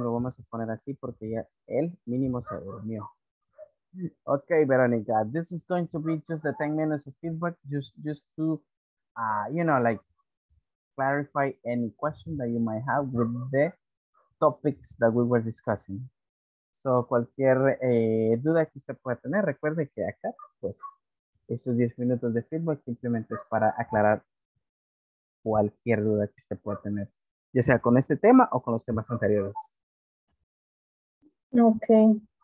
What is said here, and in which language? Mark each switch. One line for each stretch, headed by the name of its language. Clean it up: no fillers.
Spanish: Lo vamos a poner así porque ya el mínimo se durmió.
English: Okay, Veronica, this is going to be just the 10 minutes of feedback, just to, you know, like clarify any question that you might have with the topics that we were discussing.
Spanish: So cualquier duda que usted pueda tener, recuerde que acá, pues, esos 10 minutos de feedback simplemente es para aclarar cualquier duda que usted pueda tener, ya sea con este tema o con los temas anteriores.
English: Ok.